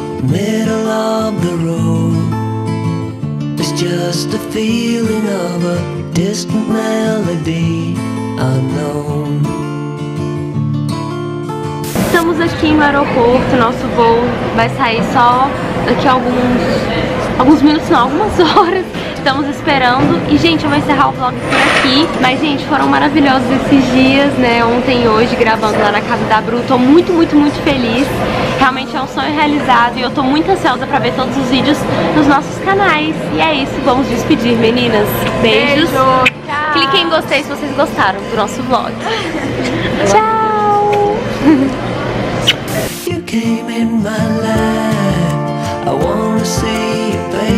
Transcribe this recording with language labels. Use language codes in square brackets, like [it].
[en] Middle of the road, there's just a feeling of a distant melody unknown. [pt] Estamos aqui no aeroporto, nosso voo vai sair só daqui a alguns minutos, não, algumas horas. Estamos esperando e, gente, eu vou encerrar o vlog por aqui. Mas, gente, foram maravilhosos esses dias, né, ontem e hoje, gravando lá na casa da Bru. Tô muito, muito, muito feliz. Realmente é um sonho realizado e eu tô muito ansiosa pra ver todos os vídeos nos nossos canais. E é isso, vamos despedir, meninas. Beijos. Beijo. Tchau. Cliquem em gostei se vocês gostaram do nosso vlog. Tchau. [en] You came in my life. I wanna see you.